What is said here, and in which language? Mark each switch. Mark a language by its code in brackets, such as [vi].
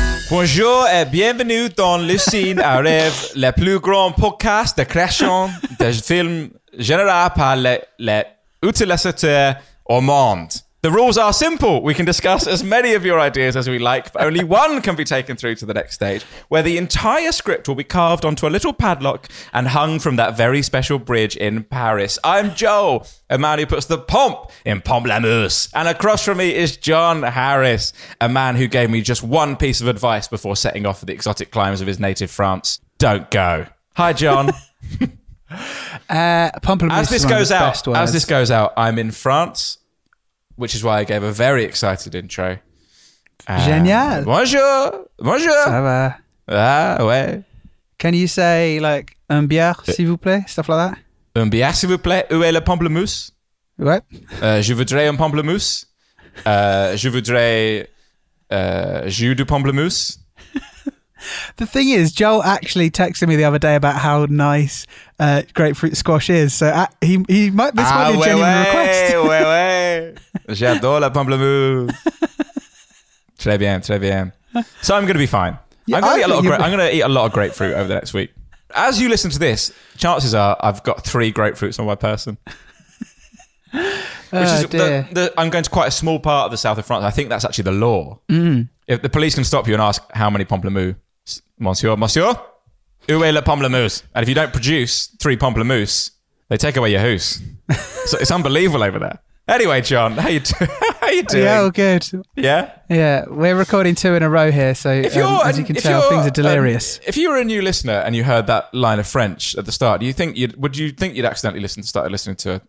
[fr] Bonjour et bienvenue dans le scene à rêve, le plus grand podcast de création de films général par les utilisateurs au monde. [en] The rules are simple. We can discuss as many of your ideas as we like, but only one can be taken through to the next stage, where the entire script will be carved onto a little padlock and hung from that very special bridge in Paris. I'm Joel, a man who puts the pomp in pomp-la-mousse. And across from me is John Harris, a man who gave me just one piece of advice before setting off for the exotic climes of his native France. Don't go. Hi, John. As this goes out, I'm in France, which is why I gave a very excited intro. [fr] Génial. Bonjour. Ça va. Ah, ouais. [en] Can you say like, [fr] un bière, s'il vous plaît? [en] Stuff like that. [fr] Un bière, s'il vous plaît. Où est le pamplemousse? Ouais. Je voudrais un pamplemousse. Je voudrais jus de pamplemousse. [en] The thing is, Joel actually texted me the other day about how nice grapefruit squash is. So he might this one a genuine request. [fr] J'adore la pamplemousse. Très bien. [en] So I'm going to be fine. Yeah, I'm going to eat a lot of grapefruit over the next week. As you listen to this, chances are I've got three grapefruits on my person. I'm going to quite a small part of the south of France. I think that's actually the law. Mm. If the police can stop you and ask how many pamplemousse. [fr] Monsieur, où est le pamplemousse? [en] And if you don't produce three pamplemousse, they take away your house. So it's unbelievable over there. Anyway, John, how you doing? Yeah, all good. Yeah? Yeah, we're recording two in a row here, so as you can tell, things are delirious. If you were a new listener and you heard that line of French at the start, would you think you'd accidentally started listening to it?